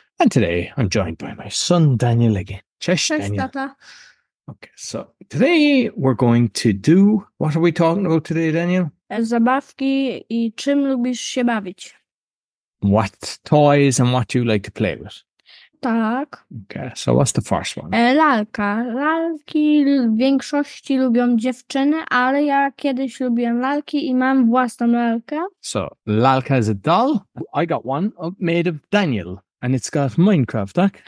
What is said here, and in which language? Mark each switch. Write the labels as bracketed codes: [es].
[en] And today I'm joined by my son Daniel again. [pl] Cześć, Daniel. Cześć, tata. [en] Okay, so today we're going to do, what are we talking about today, Daniel? [pl] Zabawki i czym lubisz się bawić. [en] What toys and what do you like to play with? [pl] Tak. [en] Okay, so what's the first one? [pl] Lalka. Lalki w większości lubią dziewczyny, ale ja kiedyś lubiłem lalki i mam własną lalkę. [en] So, lalka is a doll. I got one made of Daniel and it's got Minecraft, tak?